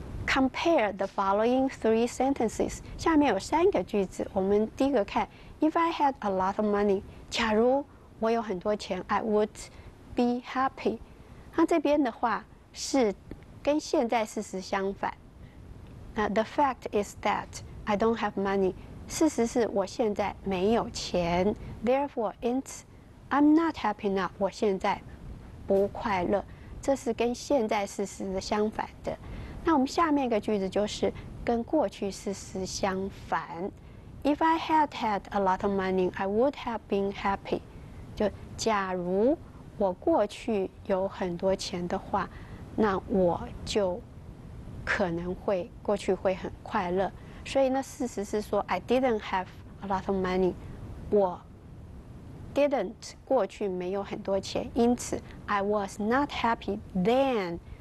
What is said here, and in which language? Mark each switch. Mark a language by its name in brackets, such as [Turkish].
[English] compare the following three sentences. [Chinese] 下面有三个句子，我们第一个看 [English] If I had a lot of money, [Chinese] 假如我有很多钱 [English] I would be happy. [Chinese] 那这边的话是跟现在事实相反。 [English] 那 The fact is that I don't have money. [Chinese] 事实是我现在没有钱。 [English] Therefore, I'm not happy now. [Chinese] 我现在不快乐。这是跟现在事实的相反的。那我们下面一个句子就是跟过去事实相反。 [English] If I had had a lot of money, I would have been happy. [Chinese] 就假如我过去有很多钱的话，那我就可能会过去会很快乐。所以呢，事实是说 [English] I didn't have a lot of money. [Chinese] 我 didn't 过去没有很多钱，因此 [English] I was not happy then.